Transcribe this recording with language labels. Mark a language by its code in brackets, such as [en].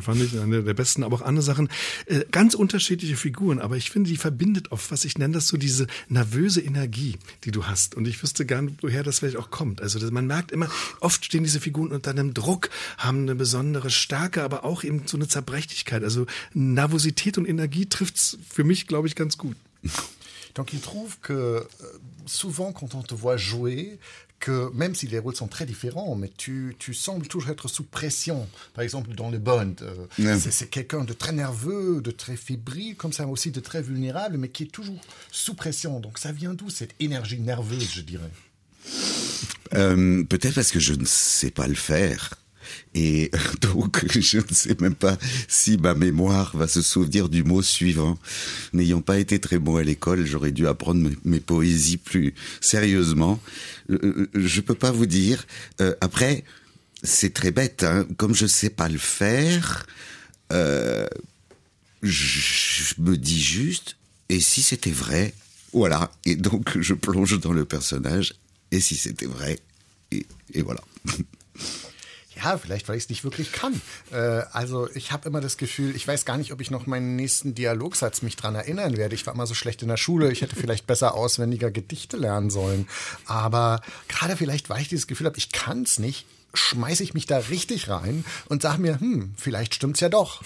[de] Fand ich einer der besten, aber auch andere Sachen. Ganz unterschiedliche Figuren, aber ich finde, die verbindet oft, was ich nenne, das so diese nervöse Energie, die du hast. Und ich wüsste gern, woher das vielleicht auch kommt. Also das, man merkt immer, oft stehen diese Figuren unter einem Druck, haben eine besondere Stärke, aber auch eben so eine Zerbrechlichkeit. Also Nervosität und Energie trifft es für mich, glaube ich, ganz gut. [fr] Donc il trouve que souvent quand on te voit jouer, que même si les rôles sont très différents, mais tu sembles toujours être sous pression, par exemple dans le Bond, c'est quelqu'un de très nerveux, de très fébrile, comme ça aussi de très vulnérable, mais qui est toujours sous pression, donc ça vient d'où cette énergie nerveuse, je dirais? Peut-être parce que je ne sais pas le faire. Et donc, je ne sais même pas si ma mémoire va se souvenir du mot suivant. N'ayant pas été très bon à l'école, j'aurais dû apprendre mes poésies plus sérieusement. Je ne peux pas vous dire. Après, c'est très bête. Hein. Comme je ne sais pas le faire, je me dis juste, et si c'était vrai? Voilà. Et donc, je plonge dans le personnage, et si c'était vrai? Et voilà. [de] Ja, vielleicht, weil ich es nicht wirklich kann. Also ich habe immer das Gefühl, ich weiß gar nicht, ob ich noch meinen nächsten Dialogsatz mich dran erinnern werde. Ich war immer so schlecht in der Schule. Ich hätte vielleicht besser auswendiger Gedichte lernen sollen. Aber gerade vielleicht, weil ich dieses Gefühl habe, ich kann es nicht, schmeiße ich mich da richtig rein und sage mir, vielleicht stimmt's ja doch.